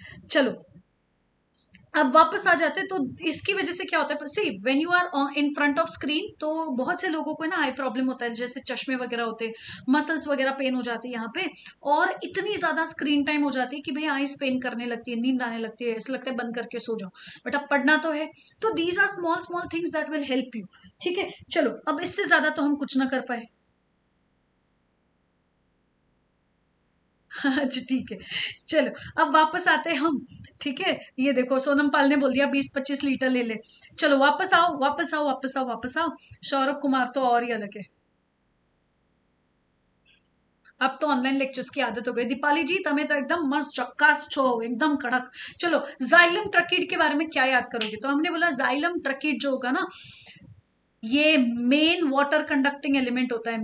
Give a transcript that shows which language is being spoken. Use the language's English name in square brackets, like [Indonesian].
[Hindi] चलो अब वापस आ जाते हैं. तो इसकी वजह से क्या होता है, [English] see when you are in front of screen, [Hindi] तो बहुत से लोगों को ना आई प्रॉब्लम होता है, जैसे चश्मे वगैरह होते, मसल्स वगैरह पेन हो जाते हैं यहाँ पे, और इतनी ज्यादा स्क्रीन टाइम हो जाती है कि भाई आईज पेन करने लगती है, नींद आने लगती है, ऐसा लगता है बंद करके सो जाओ, बट अब पढ़ना तो है. तो [English] These are small small things that will help you. [Hindi] ठीक है, चलो अब इससे ज्यादा तो हम कुछ ना कर पाए. हाँ जी ठीक है, चलो अब वापस आते हैं हम. ठीक है, ये देखो सोनम पाल ने बोल दिया 20-25 लीटर ले ले. चलो वापस आओ, वापस आओ, वापस आओ, वापस आओ. सौरभ कुमार तो और ही अलग है, अब तो ऑनलाइन लेक्चर्स की आदत हो गई. [Gujarati] दीपाली जी तमें तो एकदम मस्त चक्कास छो, एकदम कड़क. [Hindi] चलो जाइलम ट्रकीड के बारे में क्या याद करोगे, तो हमने बोला जाइलम ट्रकीड जो होगा ना, ये मेन वाटर कंडक्टिंग एलिमेंट होता है.